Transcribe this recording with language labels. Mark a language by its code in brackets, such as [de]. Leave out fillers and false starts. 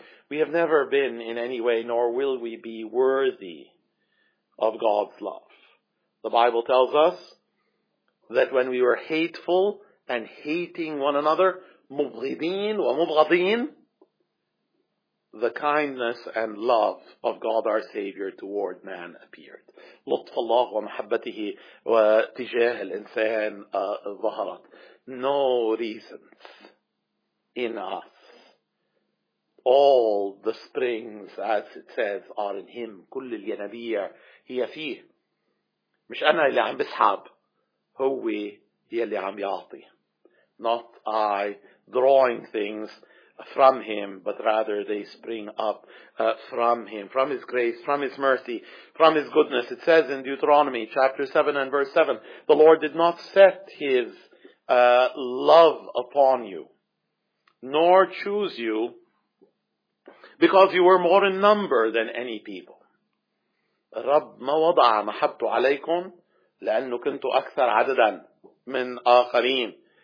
[en] We have never been in any way, nor will we be, worthy of God's love. The Bible tells us that when we were hateful and hating one another, [ar] مبغضين ومبغضين, [en] the kindness and love of God our Savior toward man appeared. [ar] لطف الله ومحبته وتجاه الإنسان ظهرت. [en] No reasons in us. All the springs, as it says, are in Him. [ar] كل الينابيع هي فيه. مش أنا اللي عم بسحب. هو يلي عم يعطي. [en] Not I drawing things from him, but rather they spring up from him, from his grace, from his mercy, from his goodness. It says in Deuteronomy chapter 7 and verse 7, the Lord did not set his love upon you, nor choose you, because you were more in number than any people. [ar] رب ما وضع محبته عليكم لأنه كنت أكثر عددا من آخرين.